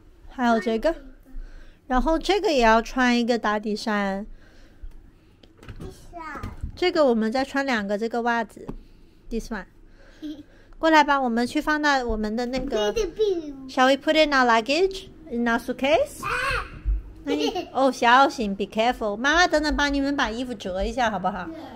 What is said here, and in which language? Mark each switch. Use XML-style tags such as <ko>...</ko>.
<zh>还有这个，然后这个也要穿一个打底衫。这个我们再穿两个这个袜子 ，</zh> <en>this one。</en> <zh>过来吧，我们去放到我们的那个。</zh> <en>Shall we put in our luggage in our suitcase？</en> <zh>那你哦，小心 ，</zh> <en>be careful。</en> <zh>妈妈等等帮你们把衣服折一下，好不好？</zh>